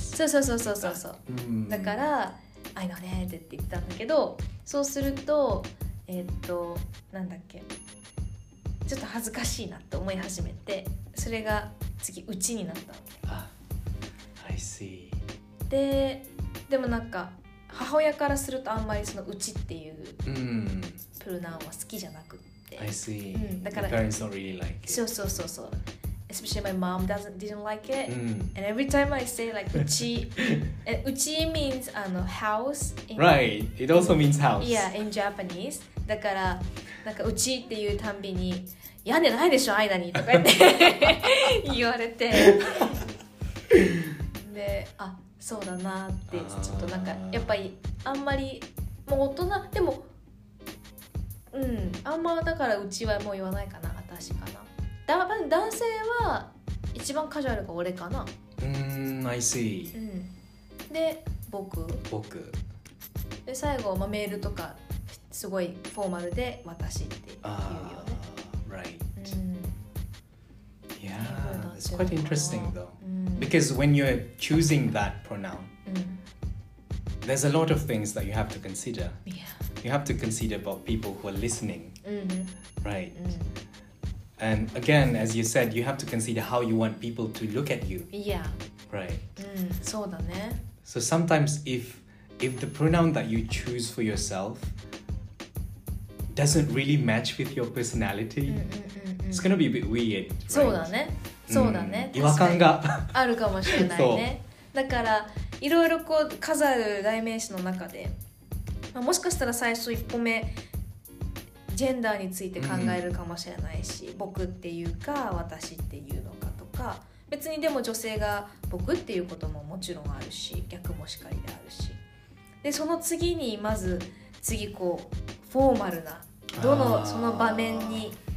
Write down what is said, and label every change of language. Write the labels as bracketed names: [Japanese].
[Japanese] そうそうそうそうそうそう、だから [English] I know [Japanese] ねって言ったんだけど、そうするとなんだっけ、ちょっと恥ずかしいなって思い始めて、それが次うちになったわけ。 [English] I see。 [Japanese] でもなんか母親からするとあんまりそのうちっていうプロナウンは好きじゃなくって、 [English] I see、 [Japanese] だから [English] parents don't really like it。 [Japanese] そうそうそうそう、 [English] Especially my mom didn't like it、mm. And every time I say like uchi uchi means house in, right, it also means house Yeah, in Japanese [Japanese] だからなんかうちっていうたんびに屋根ないでしょ間にとか言って言われてで、あ、そうだなってちょっとなんかやっぱりあんまりもう大人でもうん、あんまだからうちはもう言わないかな、私かな、やっぱり男性は一番カジュアルが俺かな。 [English] I see、 [Japanese] うん、で、僕。僕。で、最後、まあ、メールとかすごいフォーマルで私って言うよね。 [English] Right、うん、Yeah, it's quite interesting though、うん、Because when you're choosing that pronoun、うん、 There's a lot of things that you have to consider、 yeah. You have to consider about people who are listening、うん、 Right、うん、 And again, as you said, you have to consider how you want people to look at you. Yeah. Right. [Japanese] Mm, そうだね。 [English] So sometimes if the pronoun that you choose for yourself doesn't really match with your personality, mm-hmm. it's going to be a bit weird, right? [Japanese] そうだね。そうだね。違和感があるかもしれないね。だからいろいろこう飾る代名詞の中で、まあ、もしかしたら最初1個目ジェンダーについて考えるかもしれないし、うん、僕っていうか私っていうのかとか、別にでも女性が僕っていうことももちろんあるし、逆もしかりであるし、でその次にまず次こうフォーマルなどのその場面に